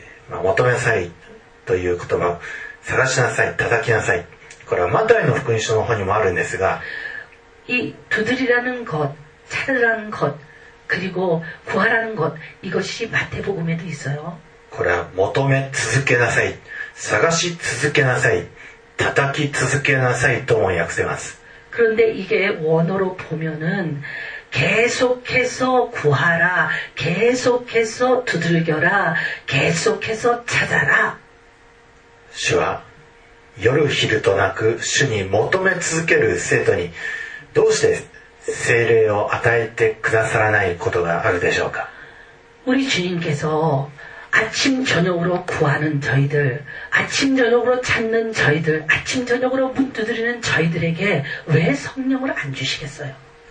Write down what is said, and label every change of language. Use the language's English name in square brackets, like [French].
[Japanese] 求めなさいという言葉を探しなさい叩きなさいこれはマタイの福音書の方にもあるんですが、 [Korean] 이두드리라는것찾으라는것그리고구하라는것이것이마태복음에도있어요 [Japanese] これは求め続けなさい探し続けなさい叩き続けなさいとも訳せます [Korean] 그런데이게원어로보면은계속해서구하라계속해서두들겨라계속해서찾아라 [Japanese] 主は夜昼となく主に求め続ける生徒にどうして聖霊を与えてくださらないことがあるでしょうか [Korean] 우리주님께서아침저녁으로구하는저희들아침저녁으로찾는저희들아침저녁으로문두드리는저희들에게왜성령을안주시겠어요